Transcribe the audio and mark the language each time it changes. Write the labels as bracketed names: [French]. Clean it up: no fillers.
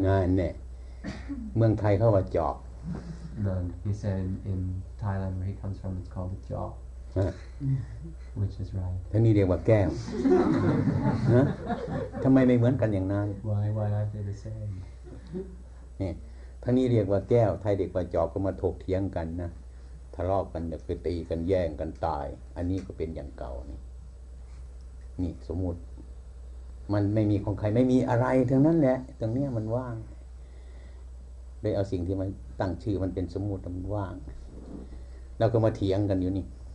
[Thai] งานเนี่ยเมืองไทยเขาว่าจอก [English] No, he said in Thailand where he comes from it's called a jaw. Which is right. [Thai] ท่านนี่เรียกว่าแก้วฮะทำไมไม่เหมือนกันอย่างนั้น [English] Why aren't they the same? [Thai] นี่ท่านนี่เรียกว่าแก้วไทยเรียกว่าจอกก็มาถกเถียงกันนะทะเลาะกันเดี๋ยวไปตีกันแย่งกันตายอันนี้ก็เป็นอย่างเก่านี่นี่สมมุติมันไม่มีของใครไม่มีอะไรทั้งนั้นแหละตรงเนี้ยมันว่างโดยเอาสิ่งที่มันตั้งชื่อมันเป็นสมมุติมันว่างเราก็มาเถียงกันอยู่นี่